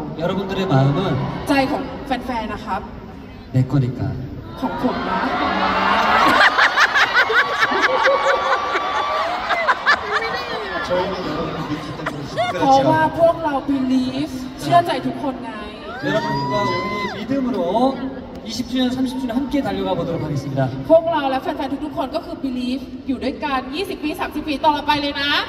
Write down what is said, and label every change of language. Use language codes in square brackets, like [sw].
[ko] 여러분들의마음은 [th] ใจของแฟนๆนะครับ [ko] 내거니까 [th] ของผมนะเพราะว่าพวกเรา believe เชื่อใจทุกคนไง [ko] 여러분과우리믿음으로20주년 30주년함께달려가보도록하겠습니다 [th] พวกเราและแฟนๆทุกๆคนก็คือ believe อยู่ด้วยกัน20ปี30ปีต่อไปเลยนะ